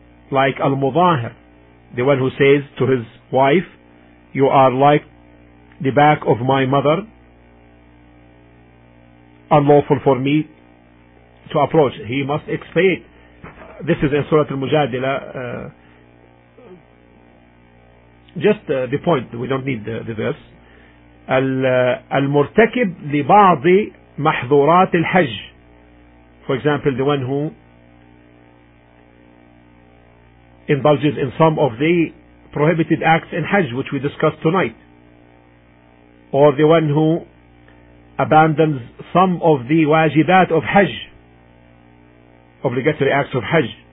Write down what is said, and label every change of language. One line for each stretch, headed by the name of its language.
English: Like Al-Mudahir, the one who says to his wife, you are like the back of my mother, unlawful for me to approach. He must expiate. This is in Surah Al-Mujadila. Just the point, we don't need the verse.
Arabic: المرتكب لبعض محظورات الحج.
English: For example, the one who indulges in some of the prohibited acts in Hajj, which we discussed tonight. Or the one who abandons some of the wajibat of Hajj, obligatory acts of Hajj.